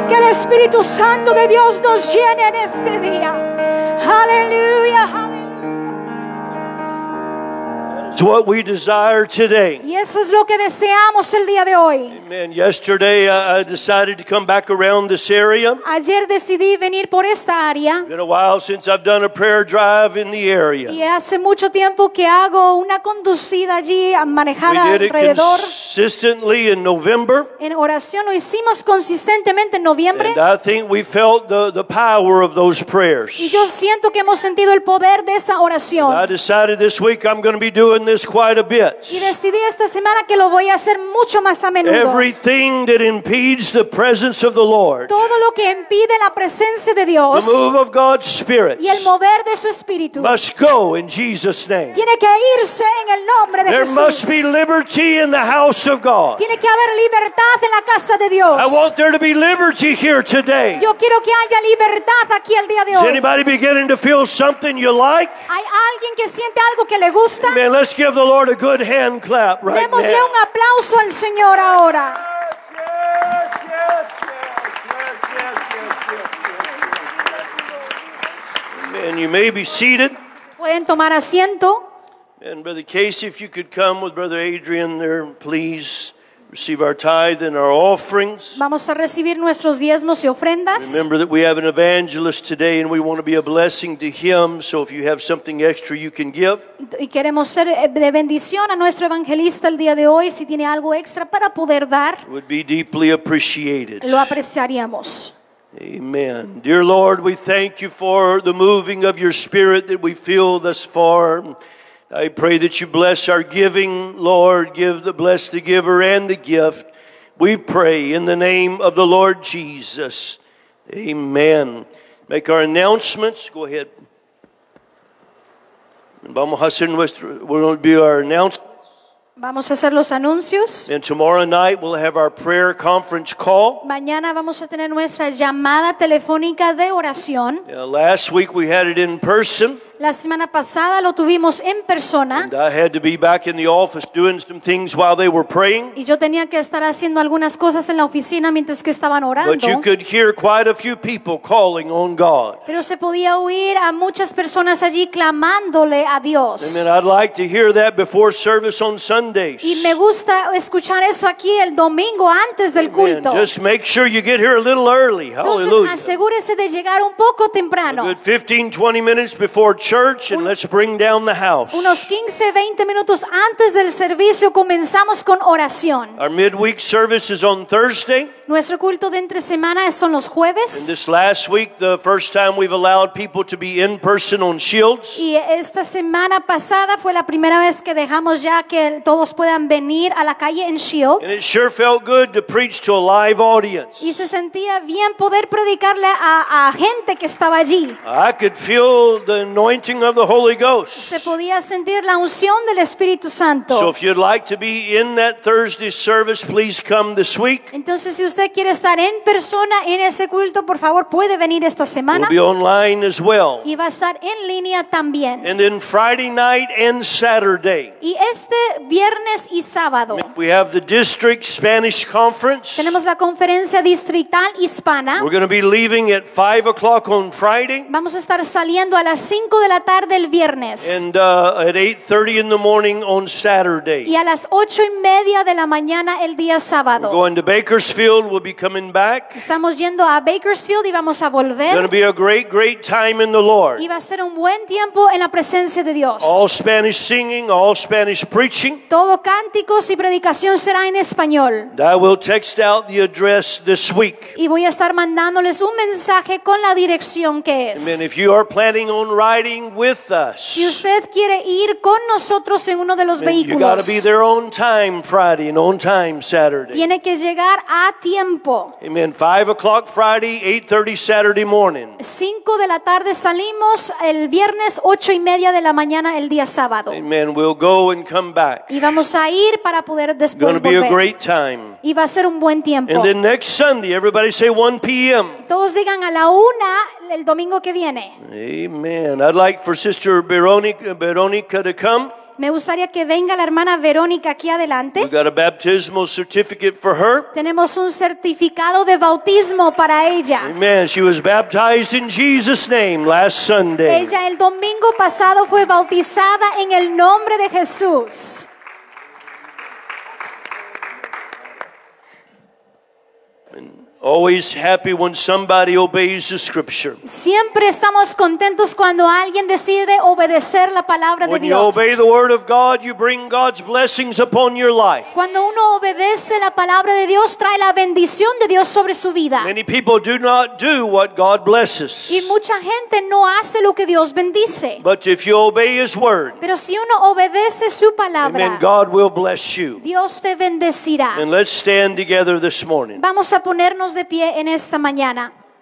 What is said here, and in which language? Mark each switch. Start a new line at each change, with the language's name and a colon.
Spanish: Espíritu Santo de Dios nos llene en este día. Aleluya, aleluya.
English: It's what we desire today.
Spanish: Y eso es lo que deseamos el día de hoy.
English: Amen. Yesterday I decided to come back around this area.
Spanish: Ayer decidí venir por esta área.
English: It's been a while since I've done a prayer drive in the area.
Spanish: Y hace mucho tiempo que hago una conducida allí, manejada alrededor.
English: Consistently in November.
Spanish: En oración lo hicimos consistentemente en noviembre.
English: And I think we felt the power of those prayers.
Spanish: Y yo siento que hemos sentido el poder de esa oración.
English: And I decided this week I'm going to be doing this quite a bit.
Spanish: Y decidí esta semana que lo voy a hacer mucho más a menudo.
English: Everything that impedes the presence of the Lord.
Spanish: Todo lo que impide la presencia de Dios.
English: The move of God's Spirit.
Spanish: Y el mover de su Espíritu.
English: Must go in Jesus' name.
Spanish: Tiene que irse en el nombre de
English: There
Spanish: Jesús.
English: Must be liberty in the house. Of God.
Spanish: Tiene que haber libertad en la casa de Dios.
English: I want there to be liberty here today.
Spanish: Yo quiero que haya libertad aquí el día de hoy.
English: Is anybody beginning to feel something you like?
Spanish: ¿Hay alguien que siente algo que le gusta?
English: Amen. Let's give the Lord a good hand clap right
Spanish: Demosle Démosle un aplauso al Señor ahora.
English: And you may be seated.
Spanish: Pueden tomar asiento.
English: And Brother Casey, if you could come with Brother Adrian there, please receive our tithe and our offerings.
Spanish: Vamos a recibir nuestros diezmos y ofrendas.
English: Remember that we have an evangelist today and we want to be a blessing to him. So if you have something extra, you can give.
Spanish: Y queremos ser de bendición a nuestro evangelista el día de hoy. Si tiene algo extra para poder dar.
English: It would be deeply appreciated.
Spanish: Lo apreciaríamos.
English: Amen. Dear Lord, we thank you for the moving of your Spirit that we feel thus far. I pray that you bless our giving, Lord. Give the bless the giver and the gift. We pray in the name of the Lord Jesus. Amen. Make our announcements. Go ahead.
Spanish: Vamos a hacer nuestro.
English: We're going to be our announcements.
Spanish: Vamos a hacer los anuncios.
English: And tomorrow night we'll have our prayer conference call.
Spanish: Mañana vamos a tener nuestra llamada telefónica de oración.
English: Last week we had it in person.
Spanish: La semana pasada lo tuvimos en persona.
English: And I had to be back in the office doing some things while they were praying.
Spanish: Y yo tenía que estar haciendo algunas cosas en la oficina mientras que estaban orando.
English: But you could hear quite a few people calling on God.
Spanish: Pero se podía oír a muchas personas allí clamándole a Dios.
English: And I'd like to hear that before service on Sundays.
Spanish: Y me gusta escuchar eso aquí el domingo antes del
English: Amen.
Spanish: Culto.
English: Just make sure you get here a little early. Hallelujah.
Spanish: Entonces asegúrese de llegar un poco temprano.
English: A good 15-20 minutes before church. church and let's bring down the house.
Spanish: Unos 15, 20 minutos antes del servicio comenzamos con oración.
English: Our midweek service is on Thursday.
Spanish: Nuestro culto de entre semana son los jueves.
English: And this last week, the first time we've allowed people to be in person on Shields.
Spanish: Y esta semana pasada fue la primera vez que dejamos ya que todos puedan venir a la calle en Shields.
English: And it sure felt good to preach to a live audience.
Spanish: Y se sentía bien poder predicarle a gente que estaba allí.
English: I could feel the anointing of the Holy Ghost.
Spanish: Se podía sentir la unción del Espíritu Santo.
English: So if you'd like to be in that Thursday service, please come this week.
Spanish: Entonces, si usted quiere estar en persona en ese culto, por favor, puede venir esta semana.
English: We'll be online as well.
Spanish: Y va a estar en línea también.
English: And then Friday night and Saturday.
Spanish: Y este viernes y sábado.
English: We have the district Spanish conference.
Spanish: Tenemos la conferencia distrital hispana.
English: We're going to be leaving at 5:00 on Friday.
Spanish: Vamos a estar saliendo a las 5 de la tarde el viernes.
English: And at 8:30 in the morning on Saturday.
Spanish: Y a las 8:30 de la mañana el día sábado.
English: We're going to Bakersfield. We'll be coming back.
Spanish: Estamos yendo a Bakersfield y vamos a volver.
English: It's going to be a great, great time in the Lord.
Spanish: Y va a ser un buen tiempo en la presencia de Dios.
English: All Spanish singing, all Spanish preaching.
Spanish: Todo cánticos y predicación será en español.
English: And I will text out the address this week.
Spanish: Y voy a estar mandándoles un mensaje con la dirección que es.
English: Amen. If you are planning on riding with us,
Spanish: si usted quiere ir con nosotros en uno de los vehículos,
English: you got to be there on time Friday and on time Saturday.
Spanish: Tiene que llegar a tiempo.
English: Amen. 5:00 Friday, 8:30 Saturday morning.
Spanish: 5 de la tarde salimos el viernes, 8:30 de la mañana el día sábado.
English: Amen. We'll go and come back.
Spanish: Y vamos a ir para poder después volver.
English: It's going to be a great time.
Spanish: Y va a ser un buen tiempo.
English: And then next Sunday, everybody say 1 p.m.
Spanish: Todos digan a la 1 el domingo que viene.
English: Amen. I'd like for Sister Veronica to come.
Spanish: Me gustaría que venga la hermana Verónica aquí adelante.
English: We got a baptismal certificate for her.
Spanish: Tenemos un certificado de bautismo para ella.
English: Amen. She was baptized in Jesus' name last Sunday.
Spanish: Ella el domingo pasado fue bautizada en el nombre de Jesús.
English: Always happy when somebody obeys the scripture.
Spanish: Siempre estamos contentos cuando alguien decide obedecer la palabra
English: when
Spanish: de Dios.
English: When you obey the word of God, you bring God's blessings upon your life.
Spanish: Cuando uno obedece la palabra de Dios, trae la bendición de Dios sobre su vida.
English: Many people do not do what God blesses.
Spanish: Y mucha gente no hace lo que Dios bendice.
English: But if you obey His word,
Spanish: pero si uno obedece su palabra,
English: then God will bless you.
Spanish: Dios te bendecirá.
English: And let's stand together this morning.
Spanish: Vamos a ponernos de pie en esta mañana.